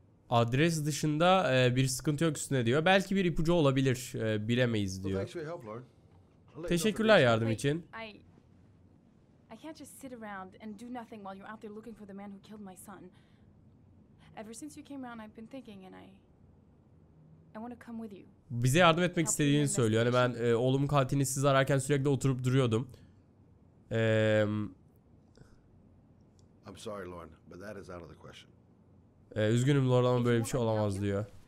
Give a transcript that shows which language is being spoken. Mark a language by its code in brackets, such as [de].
[tr] Adres dışında bir sıkıntı yok üstüne diyor. Belki bir ipucu olabilir. Bilemeyiz [en] well, [tr] diyor. [en] Thanks for your help, Lauren. [tr] Teşekkürler yardım [en] Wait, [tr] için. [en] I can't just sit around and do nothing while you're out there looking for the man who killed my son. Ever since you came around I've been thinking and I want to come with you. [tr] Bize yardım etmek istediğini söylüyor. Hani ben oğlumun katilini siz ararken sürekli oturup duruyordum. [en] I'm sorry, Lauren, but that is out of the question. [tr] Üzgünüm Lauren ama böyle bir şey olamaz diyor.